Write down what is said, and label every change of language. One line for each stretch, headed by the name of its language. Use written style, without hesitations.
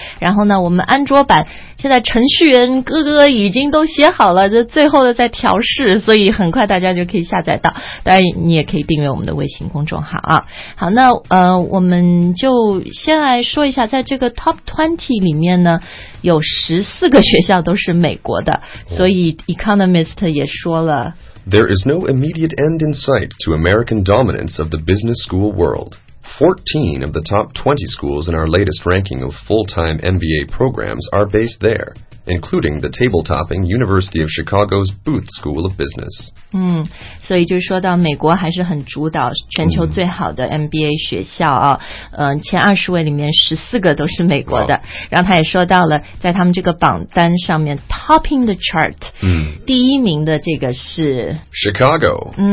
Chinese: 然后呢，我们安卓版现在程序员哥哥已经都写好了，这最后的在调试，所以很快大家就可以下载到，当然你也可以订阅我们的微信公众号啊。好，那我们就先来说一下，在这个 top 20里面呢，有14个学校都是美国的，所以 economist 也说了，
English: There is no immediate end in sight to American dominance of the business school world. 14 of the top 20 schools in our latest ranking of full-time MBA programs are based there, including the table-topping University of Chicago's Booth School of Business.
Chinese: 所以就说到美国还是很主导全球最好的 MBA 学校啊，前20位里面14个都是美国的。然后他也说到了在他们这个榜单上面
English: topping the chart，
Chinese: 第一名的这个是
English: Chicago，